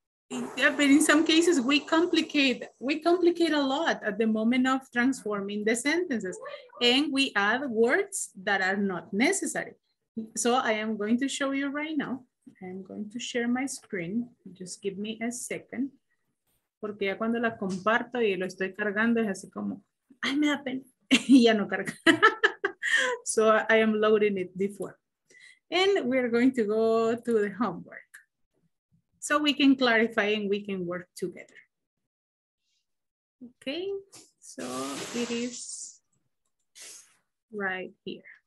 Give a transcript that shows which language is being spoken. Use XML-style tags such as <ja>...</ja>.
<en>Yeah, but in some cases we complicate a lot at the moment of transforming the sentences, and we add words that are not necessary. So I am going to show you right now. I am going to share my screen. Just give me a second.</en> <es>Porque ya cuando la comparto y lo estoy cargando, es así como, ay, me da pena. Y ya no carga.</es> <en>So I am loading it before. And we are going to go to the homework, so we can clarify and we can work together. Okay, so it is right here.</en>